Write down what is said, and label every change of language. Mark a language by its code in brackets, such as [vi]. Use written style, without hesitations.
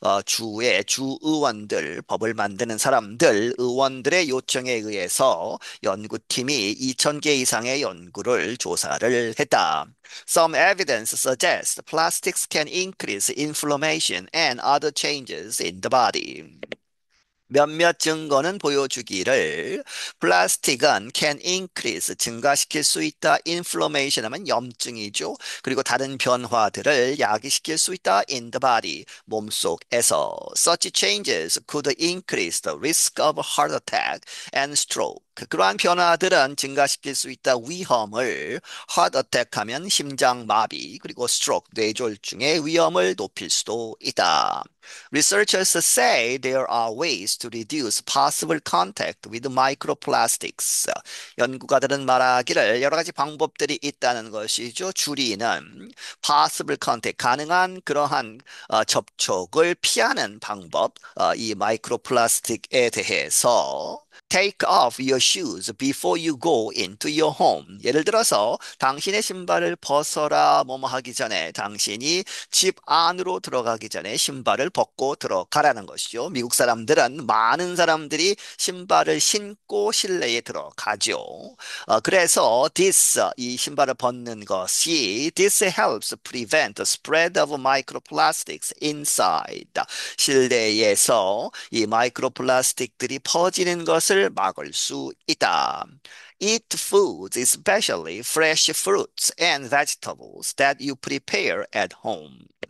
[ko] 주의 주 의원들 법을 만드는 사람들 의원들의 요청에 의해서 연구 팀이 2,000개 이상의 연구를 조사를 했다. [en] Some evidence suggests plastics can increase inflammation and other changes in the body. [ko] 몇몇 증거는 보여주기를 플라스틱은 [en] can increase [ko] 증가시킬 수 있다. inflammation 하면 염증이죠. 그리고 다른 변화들을 야기시킬 수 있다. [en] in the body [ko] 몸속에서 [en] such changes could increase the risk of heart attack and stroke. [ko] 그러한 변화들은 증가시킬 수 있다. 위험을 [en] heart attack [ko] 하면 심장 마비 그리고 stroke 뇌졸중의 위험을 높일 수도 있다. [en] Researchers say there are ways to reduce possible contact with microplastics. [ko] 연구가들은 말하기를 여러 가지 방법들이 있다는 것이죠. 줄이는 [en] possible contact, [ko] 가능한 그러한 접촉을 피하는 방법, 이 마이크로플라스틱에 대해서. [en] Take off your shoes before you go into your home. [ko] 예를 들어서 당신의 신발을 벗어라 뭐뭐 하기 전에 당신이 집 안으로 들어가기 전에 신발을 벗고 들어가라는 것이죠. 미국 사람들은 많은 사람들이 신발을 신고 실내에 들어가죠. 그래서 이 신발을 벗는 것이 [en] this helps prevent the spread of microplastics inside. [ko] 실내에서 이 마이크로플라스틱들이 퍼지는 것을 막을 수 있다. [en] Eat foods, especially fresh fruits and vegetables that you prepare at home.